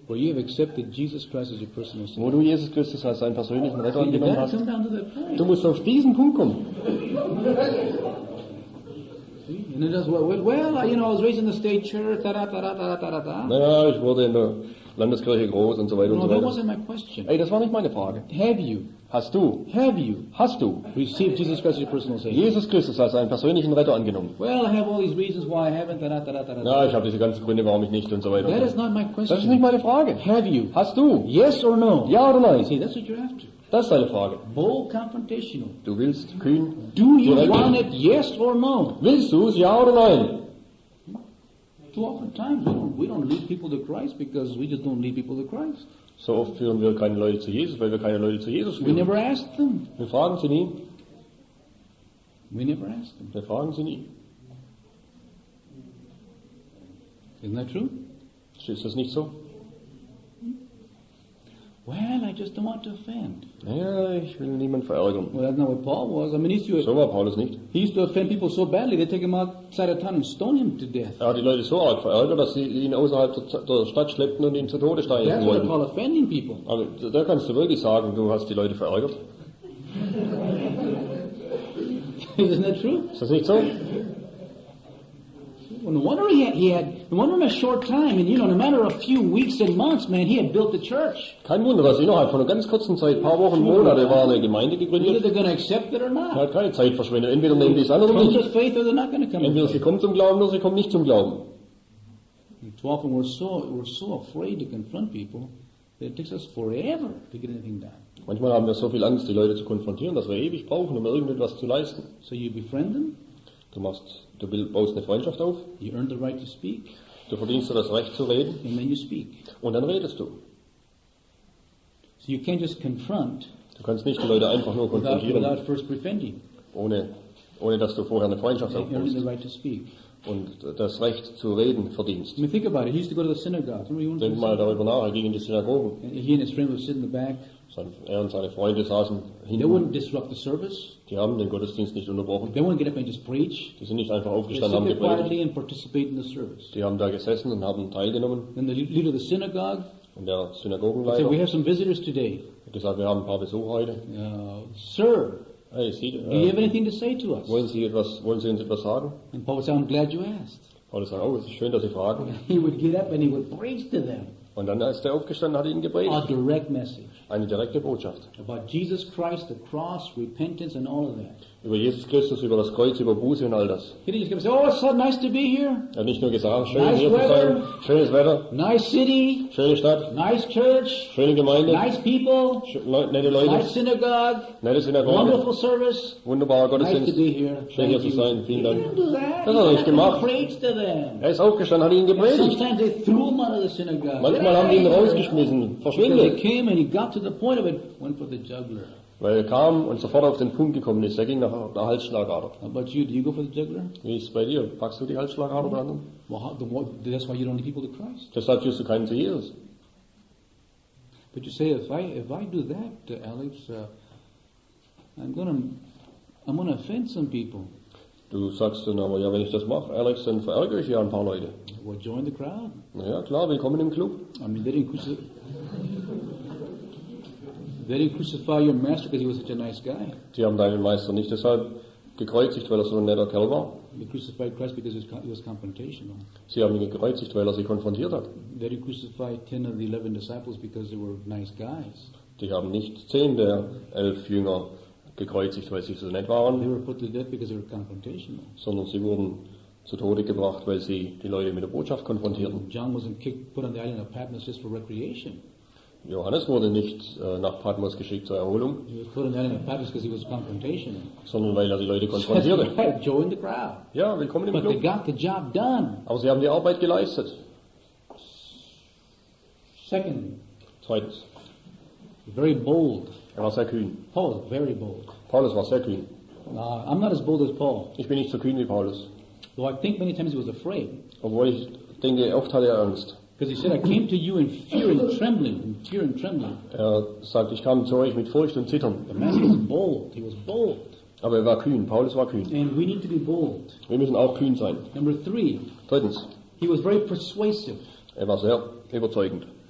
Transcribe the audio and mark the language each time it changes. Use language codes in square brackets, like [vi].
[en] where you have accepted Jesus Christ as your personal Savior? [de] Wo du Jesus Christus als deinen persönlichen Retter angenommen hast? [en] Come down to that point. [de] Du musst auf diesen Punkt kommen. [en] See, And he does well, you know, I was raised in the state church, ta-da-ta-da-ta-da-ta-da-ta. [de] Naja, ich wurde in der Landeskirche groß und so weiter und so weiter. [en] No, that wasn't my question. [de] Ey, das war nicht meine Frage. [en] Have you? [de] Hast du? [en] Have you? [de] Hast du? [en] Received Jesus Christ as your personal Savior? [de] Jesus Christus als einen persönlichen Retter angenommen. [en] Well, I have all these reasons why I haven't, ta-da-ta-da-ta-da-ta. [de] Na, ich habe diese ganzen Gründe, warum ich nicht und so weiter. [en] That is not my question. [de] Das ist nicht meine Frage. [en] Have you? [de] Hast du? [en] Yes or no? [de] Ja oder nein? [en] See, that's what you're after. [de] Das ist deine Frage. [en] Bold confrontational. [de] Du willst kühn. [en] Do you want it, yes or no? [de] Willst du es, ja oder nein? [en] Too often times we don't lead people to Christ because we just don't lead people to Christ. [de] So oft führen wir keine Leute zu Jesus, weil wir keine Leute zu Jesus führen. [en] We never ask them. [de] Wir fragen sie nie. [en] We never ask them. [de] Wir fragen sie nie. [en] Isn't that true? [de] Ist das nicht so? [en] Well, I just don't want to offend. [de] Ja, ich will niemanden verärgern. [en] Well, that's not what Paul was. I mean, [de] so war Paulus nicht. [en] He used to offend people so badly they take him outside of town and stone him to death. [de] Er hat die Leute so arg verärgert, dass sie ihn außerhalb der Stadt schleppten und ihn zu Tode steinigen wollten. [en] That's what Paul offending people. [de] Also, da kannst du wirklich sagen, du hast die Leute verärgert. [en] Isn't that true? [de] Ist das nicht so? [en] Well, no wonder in a short time, and you know, in a matter of a few weeks and months, man, he had built the church. [de] Kein Wunder, dass innerhalb von einer ganz kurzen Zeit, paar Wochen, Monate, war eine Gemeinde gegründet. [en] Either they're going to accept it or not. [de] Er hat keine Zeit verschwendet. Entweder nehmen die es an oder nicht. [en] Come to faith or they're not going to come. [de] Entweder sie kommen zum Glauben oder sie kommen nicht zum Glauben. [en] Too often we're so afraid to confront people that it takes us forever to get anything done. [de] Manchmal haben wir so viel Angst, die Leute zu konfrontieren, dass wir ewig brauchen, um irgendetwas zu leisten. [en] So you befriend them. [de] Du baust eine Freundschaft auf. [en] You earn the right to speak. [de] Du verdienst das Recht zu reden. [en] And then you speak. [de] Und dann redest du. [en] So you can't just confront. [de] Du kannst nicht die Leute einfach nur konfrontieren. [en] Without first befriending. [de] Ohne dass du vorher eine Freundschaft aufbaust. [en] You earn the right to speak. [de] Und das Recht zu reden verdienst. [en] I mean, think about it. He used to go to the synagogue. Remember, he went to [de] Denk mal darüber nach. Er ging in die Synagoge. [en] He and his friend would sit in the back. [de] Er und seine Freunde saßen hinten. [en] They wouldn't disrupt the service. [de] Die haben den Gottesdienst nicht unterbrochen. [en] They wouldn't get up and just preach. [de] Die sind nicht einfach aufgestanden und haben gepredigt. [en] And participate in the service. [de] Die haben da gesessen und haben teilgenommen. [en] And the leader of the synagogue. [de] Und der Synagogenleiter. [en] Said, we have some visitors today. [de] Hat gesagt, wir haben ein paar Besucher heute. [en] Sir. [de] Hey, Sie, [en] do you have anything to say to us? [de] Wollen Sie uns etwas sagen? [en] And Paul would say, I'm glad you asked. [de] Paulus sagt, oh, es ist schön, dass Sie fragen. [en] He would get up and he would preach to them. [de] Und dann ist er aufgestanden, hat ihn gepredigt. [en] A direct message. [de] Eine direkte Botschaft. [en] About Jesus Christ, the cross, repentance and all of that. [de] Über Jesus Christus, über das Kreuz, über Buße und all das. [en] He didn't just say, oh, it's so nice to be here. [de] Er hat nicht nur gesagt, schön hier zu sein. Schönes Wetter. [en] Nice city. [de] Schöne Stadt. [en] Nice church. [de] Schöne Gemeinde. [en] Nice people. [de] Nette Leute. [en] Nice synagogue. [de] Nette Synagoge. [en] Wonderful service. [de] Wunderbarer Gottesdienst. [en] Nice to be here. [de] Schön hier zu sein. Vielen Dank. Das hat er nicht gemacht. Er ist aufgestanden, hat ihn gepredigt. [en] Sometimes they threw him out of the synagogue. [de] Manchmal haben die ihn rausgeschmissen. Verschwindet. [en] Because they came and he got to the point of it, went for the juggler. [de] Weil er kam und sofort auf den Punkt gekommen ist. Er ging nach der Halsschlagader. [en] How about you? Do you go for the juggler? [de] Wie ist es bei dir? Packst du die Halsschlagader oder andere? [en] That's why you don't lead people to Christ. [de] Deshalb führst du keinen zu Jesus. [en] But you say, if I do that, Alex, I'm gonna offend some people. [de] Du sagst dann aber, ja, wenn ich das mache, Alex, dann verärgere ich ja ein paar Leute. [en] Well, join the crowd. [de] Na ja, klar, willkommen im Club. [en] I mean, they didn't crucify your master because he was such a nice guy. [de] Die haben deinen Meister nicht deshalb gekreuzigt, weil er so ein netter Kerl war. [en] They crucified Christ because he was confrontational. [de] Sie haben ihn gekreuzigt, weil er sie konfrontiert hat. [en] They didn't crucify 10 of the 11 disciples because they were nice guys. [de] Die haben nicht 10 der 11 Jünger gekreuzigt, weil sie so nett waren. [en] They were put to death because they were confrontational. [de] Sondern sie wurden zu Tode gebracht, weil sie die Leute mit der Botschaft konfrontierten. [en] John wasn't put on the island of Patmos just for recreation. [de] Johannes wurde nicht nach Patmos geschickt zur Erholung, sondern weil er die Leute konfrontierte. [en] Join the crowd. [de] Ja, willkommen im [en] But [de] Club. [en] They got the job done. [de] Aber sie haben die Arbeit geleistet. Zweitens. [en] Very bold. [de] Er war sehr kühn. [en] Paul, very bold. [de] Paulus war sehr kühn. [en] I'm not as bold as Paul. [de] Ich bin nicht so kühn wie Paulus. [en] Though I think many times he was afraid. [de] Obwohl ich denke, oft hatte er Angst. [en] Because he said, I came to you in fear and trembling, in fear and trembling. [de] Er sagt, ich kam zu euch mit Furcht und Zittern. [en] The man was bold. He was bold. [de] Aber er war kühn. Paulus war kühn. [en] And we need to be bold. [de] Wir müssen auch kühn sein. [en] Number three. [de] Drittens. [en] He was very persuasive. [de] Er war sehr überzeugend.